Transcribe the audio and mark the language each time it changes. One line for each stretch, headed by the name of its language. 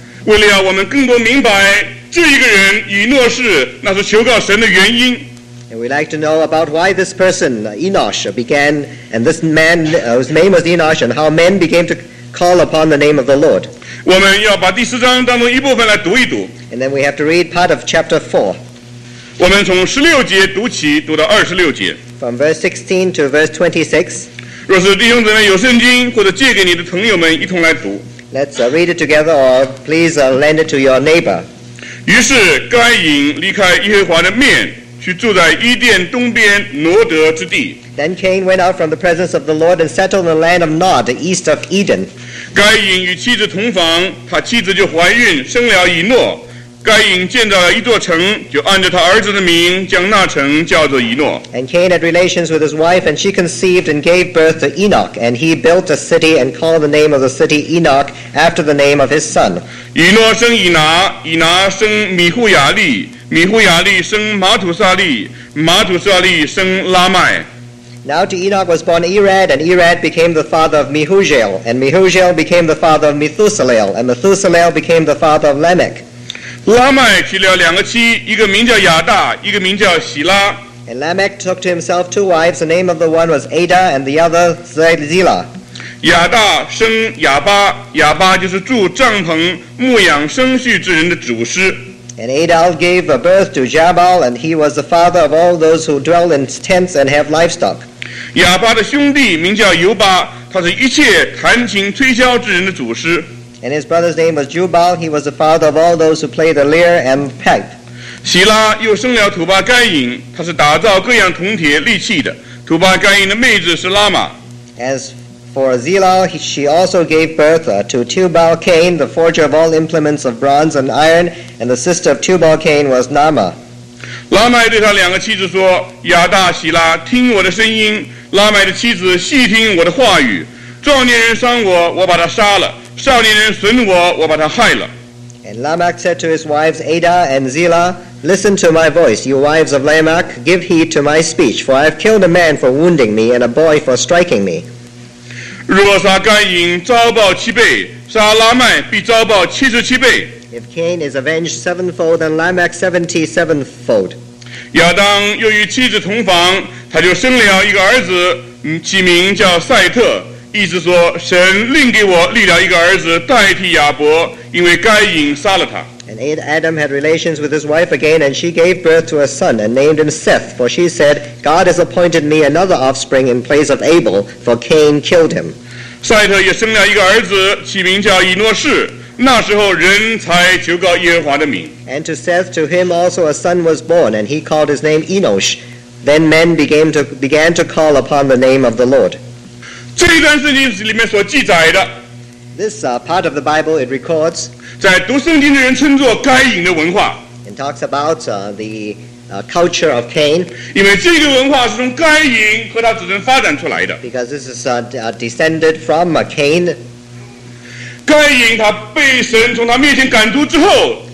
Chinese: 为了我们更多明白这一个人以诺是那是求告神的原因。
English: And we'd like to know about why this person, Enosh, began, and this man, whose name was Enosh, and how men became to call upon the name of the Lord.
Chinese: 我们要把第四章当中一部分来读一读。
English: And then we have to read part of chapter 4.
Chinese: 我们从十六节读起，读到二十六节。
English: From verse 16 to verse 26.
Chinese: 若是弟兄姊妹有圣经，或者借给你的朋友们一同来读。
English: Let's read it together, or please lend it to your neighbor.
Chinese: 于是该隐离开耶和华的面，去住在伊甸东边挪得之地。
English: Then Cain went out from the presence of the Lord and settled in the land of Nod, east of Eden.
Chinese: 该隐与妻子同房，他妻子就怀孕，生了以诺。该隐建造了一座城，就按着他儿子的名，将那城叫做以诺。
English: And Cain had relations with his wife, and she conceived and gave birth to Enoch. And he built a city and called the name of the city Enoch after the name of his son.
Chinese: 以诺生以拿，以拿生米户亚利，米户亚利生马土撒利，马土撒利生拉麦。
English: Now to Enoch was born Erad, and Erad became the father of Mehujael, and Mehujael became the father of Methuselah, and Methuselah became the father of Lamech.
Chinese: 拉麦娶了两个妻，一个名叫亚大，一个名叫喜拉。
English: And Lamech took to himself two wives. The name of the one was Ada, and the other Zillah.
Chinese: 亚大生亚巴，亚巴就是住帐篷、牧养牲畜之人的祖师。
English: And Ada gave birth to Jabal, and he was the father of all those who dwell in tents and have livestock.
Chinese: 亚巴的兄弟名叫尤巴，他是一切弹琴吹箫之人的祖师。
English: And his brother's name was Jubal. He was the father of all those who play the lyre and pipe.
Chinese: 希拉又生了土巴该隐，他是打造各样铜铁利器的。土巴该隐的妹子是拉玛。
English: As for Zillah, she also gave birth to Tubal Cain, the forger of all implements of bronze and iron, and the sister of Tubal Cain was Naamah.
Chinese: 拉麦对他两个妻子说：“亚大、希拉，听我的声音。” 拉麦的妻子细听我的话语。壮年人伤我，我把他杀了。少年人损我，我把他害了。
English: And Lamech said to his wives Ada and Zillah, "Listen to my voice, you wives of Lamech. Give heed to my speech, for I have killed a man for wounding me and a boy for striking me."
Chinese: 若杀该隐，遭报七倍；杀拉麦，必遭报七十七倍。
English: If Cain is avenged sevenfold, then Lamech 77-fold.
Chinese: 亚当又与妻子同房，他就生了一个儿子，起名叫赛特。意思说，神另给我立了一个儿子代替亚伯，因为该隐杀了他。
English: And Adam had relations with his wife again, and she gave birth to a son and named him Seth, for she said, "God has appointed me another offspring in place of Abel, for Cain killed him."
Chinese: 赛特也生了一个儿子，起名叫以诺士。那时候人才求告耶和华的名。
English: And to Seth, to him also a son was born, and he called his name Enosh. Then men began to call upon the name of the Lord.
Chinese: 这一段圣经里面所记载的
English: This part of the Bible it records
Chinese: 在读圣经的人称作该隐的文化
English: It talks about the culture of Cain
Chinese: 因为这个文化是从该隐和他子孙发展出来的
English: Because this is descended from Cain
Chinese: 该隐他被神从他面前赶出之后